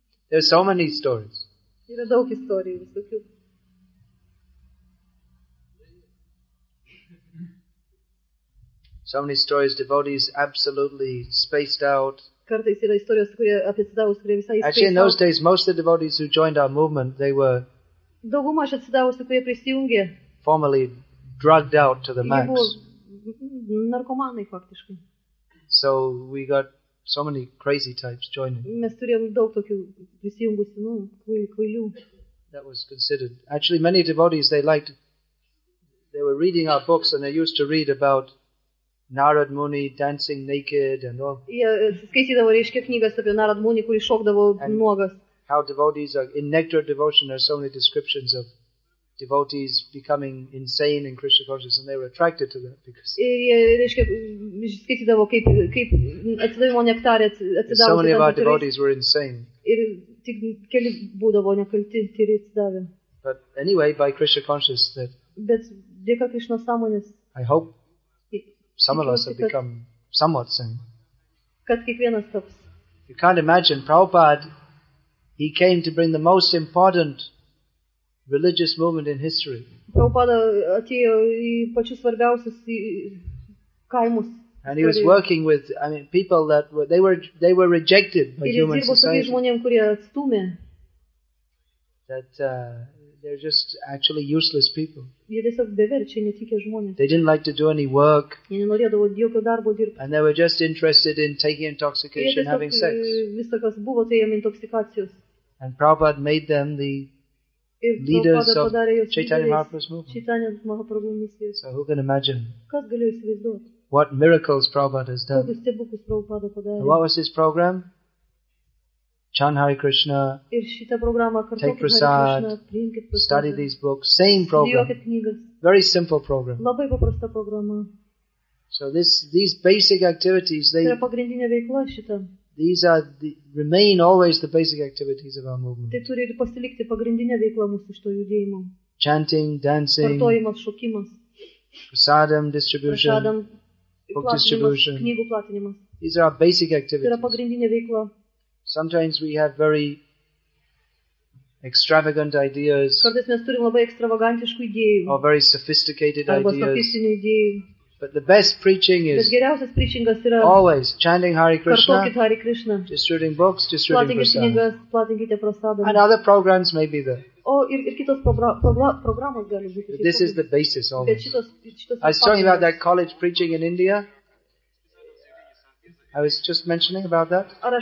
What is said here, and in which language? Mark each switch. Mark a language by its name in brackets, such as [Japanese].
[English] There's so many stories. [Lithuanian] Yra daug istorijų visokių. [English] So many stories, devotees absolutely spaced out. [Lithuanian] Kartais yra istorijos, kurie apie atsidavus, kurie visai [English] spaced out. Actually, in those days, most of the devotees who joined our movement, they were [Lithuanian] dauguma iš atsidavusių, kurie prisijungė, [English] formally drugged out to the max. [Lithuanian] Jie buvo narkomanai faktiškai. [English] So we got so many crazy types joining. [Lithuanian] Mes turėjom daug tokių prisijungusių, kvailių. [English] That was considered. Actually, many devotees, they liked, they were reading our books and they used to read about Narad Muni dancing naked and all. [Lithuanian] Jie skaitydavo reiškia knygas apie Narad Muni, kuris šokdavo nuogas. [English] How devotees are in nectar devotion, there are so many descriptions of devotees becoming insane in Krishna consciousness, and they were attracted to that because. [Lithuanian] Jie reiškia skaitydavo kaip atsidavimo nektare atsidavo. [English] So many of our devotees were insane. [Lithuanian] Ir tik keli būdavo nekalti ir atsidavę. [English] But anyway, by Krishna consciousness that. [Lithuanian] Bet dėka Krishna sąmonės. [English] I hope. Some of us have become somewhat sane. [Lithuanian] Kad kiekvienas toks. [English] You can't imagine, Prabhupada, he came to bring the most important religious movement in history. [Lithuanian] Prabhupada atėjo į pačius svarbiausius kaimus. [English] And he was working with, I mean, people that were, they were rejected by human society. [Lithuanian] Žmonėm, kurie atstumė. [English] That they're just actually useless people. [Lithuanian] Jie tiesiog beverčiai, netikė žmonės. [English] They didn't like to do any work. [Lithuanian] Jie nenorėdavo jokio darbo dirbti. [English] And they were just interested in taking intoxication and having sex. [Lithuanian] Visa kas buvo, tai jiem intoksikacijos. [English] And Prabhupada made them the leaders of Chaitanya Mahaprabhu's movement. [Lithuanian] Chaitanya Mahaprabhu misijos. [English] So who can imagine? [Lithuanian] Kas galėjo įsivaizduoti? [English] What miracles Prabhupada has done. [Lithuanian] Kokius stebuklus Prabhupada padarė. [English] What was his program? Chant Hare Krishna, [Lithuanian] ir šita programa, [English] take prasad, study these books, same program, very simple program. [Lithuanian] Labai paprasta programa. [English] So these basic activities, they [Lithuanian] yra pagrindinė veikla šita. [English] These are the, remain always the basic activities of our movement. [Lithuanian] Tai turi pasilikti pagrindinė veikla mūsų šito judėjimo. [English] Chanting, dancing, [Lithuanian] kartojimas, šokimas, [English] prasadam, book distribution, [Lithuanian] knygų platinimas. [English] These are our basic activities. [Lithuanian] Tai yra pagrindinė veikla. [English] Sometimes we have very extravagant ideas. [Lithuanian] Kartais mes turim labai ekstravagantiškų idėjų. [English] Or very sophisticated ideas. [Lithuanian] Arba sofistinių idėjų. [English] But the best preaching is. [Lithuanian] Bet geriausias preachingas yra. [English] Always chanting Hare Krishna. [Lithuanian] Kartokit Hare Krishna. [English] Distributing books, distributing prasadam. [Lithuanian] Platinkite knygas, platinkite prasadam. [English] And other programs may be there. [Lithuanian] O ir kitos programos gali būti. [English] This is the basis always. I was talking about that college preaching in India. I was just mentioning about that.